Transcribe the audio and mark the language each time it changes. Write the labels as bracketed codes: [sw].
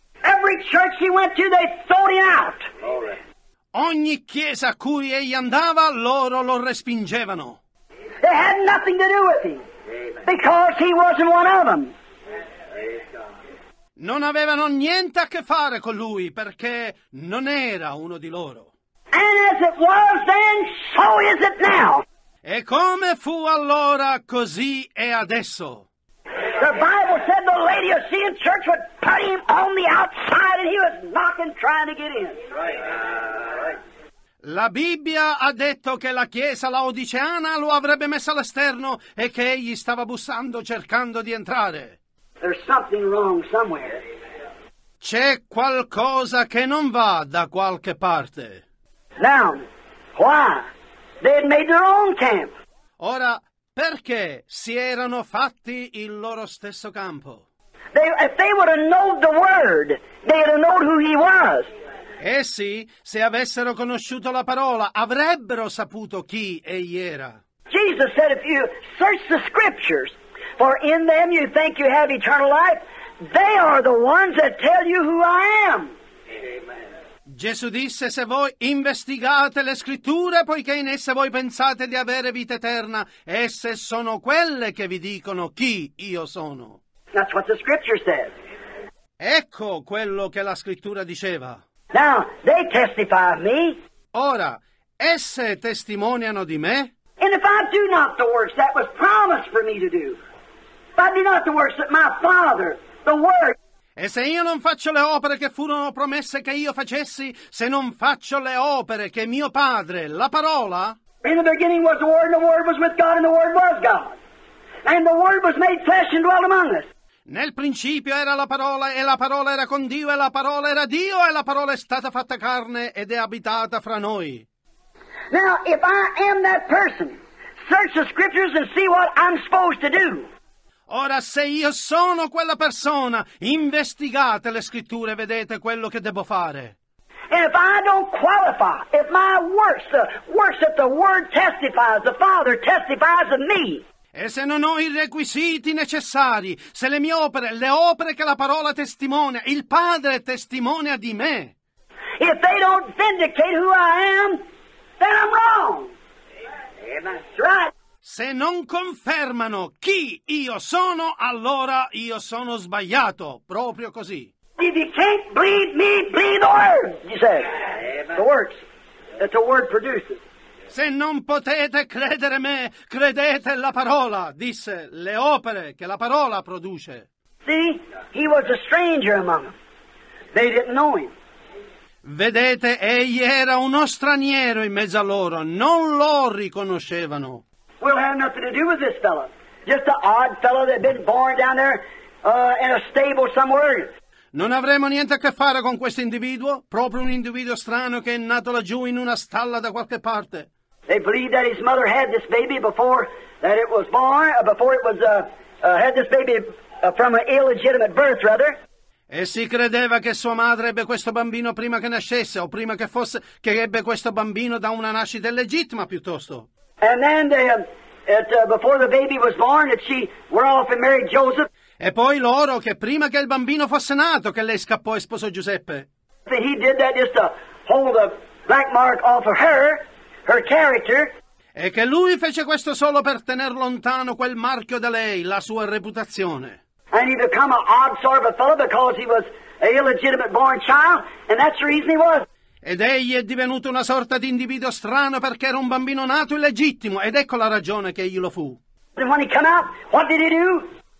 [en] Every church he went to, they threw him out. [it] Ogni chiesa a cui egli andava, loro lo respingevano. [en] They had nothing to do with him, because he wasn't one of them. [it] Non avevano niente a che fare con lui, perché non era uno di loro. [en] And as it was then, so is it now. [it] E come fu allora, così è adesso. [en] The Bible said the lady of Sion church would put him on the outside and he was knocking, trying to get in. [it] La Bibbia ha detto che la chiesa laodiceana lo avrebbe messo all'esterno e che egli stava bussando cercando di entrare. [en] There's something wrong somewhere. [it] C'è qualcosa che non va da qualche parte. [en] Now, why? They had made their own camp. [it] Ora, perché si erano fatti il loro stesso campo? [en] If they would have known the word, they would have known who he was. [it] Essi, se avessero conosciuto la parola, avrebbero saputo chi egli era. [en] Jesus said, if you search the scriptures, for in them you think you have eternal life, they are the ones that tell you who I am. [it] Gesù disse, se voi investigate le scritture, poiché in esse voi pensate di avere vita eterna, esse sono quelle che vi dicono chi io sono. [en] That's what the scripture said. [it] Ecco quello che la scrittura diceva. [en] Now, they testify of me. [it] Ora, esse testimoniano di me. [en] And if I do not the works that was promised for me to do, if I do not the works that my Father, the Word, [it] e se io non faccio le opere che furono promesse che io facessi, se non faccio le opere che mio Padre, la parola. [en] In the beginning was the Word, and the Word was with God, and the Word was God. And the Word was made flesh and dwelt among us. [it] Nel principio era la parola, e la parola era con Dio, e la parola era Dio, e la parola è stata fatta carne ed è abitata fra noi. [en] Now, if I am that person, search the scriptures and see what I'm supposed to do. [it] Ora, se io sono quella persona, investigate le scritture e vedete quello che devo fare. [en] And if I don't qualify, if my works, the works that the Word testifies, the Father testifies of me. [it] E se non ho i requisiti necessari, se le mie opere, le opere che la parola testimonia, il Padre testimonia di me. [en] If they don't vindicate who I am, then I'm wrong. Amen. That's right. [it] Se non confermano chi io sono, allora io sono sbagliato, proprio così. [en] If you can't believe me, believe the Word, you say. Amen. The works that the Word produces. [it] Se non potete credere me, credete la parola, disse, le opere che la parola produce. [en] See, he was a stranger among them. They didn't know him. [it] Vedete, egli era uno straniero in mezzo a loro, non lo riconoscevano. [en] We'll have nothing to do with this fellow. Just an odd fellow that had been born down there in a stable somewhere. [it] Non avremo niente a che fare con questo individuo, proprio un individuo strano che è nato laggiù in una stalla da qualche parte. [en] They believe that his mother had this baby before that it was born, before it was had this baby from an illegitimate birth, rather. [it] E si credeva che sua madre ebbe questo bambino prima che nascesse, o prima che fosse, che ebbe questo bambino da una nascita illegittima, piuttosto. [en] And then before the baby was born, that she went off and married Joseph. [it] E poi loro, che prima che il bambino fosse nato, che lei scappò e sposò Giuseppe. [en] He did that just to hold a black mark off of her, her character. [it] E che lui fece questo solo per tenere lontano quel marchio da lei, la sua reputazione. [en] And he became an odd sort of a fellow because he was an illegitimate born child, and that's the reason he was. [it] Ed egli è divenuto una sorta di individuo strano perché era un bambino nato illegittimo, ed ecco la ragione che egli lo fu. [en] And when he came out, what did he do?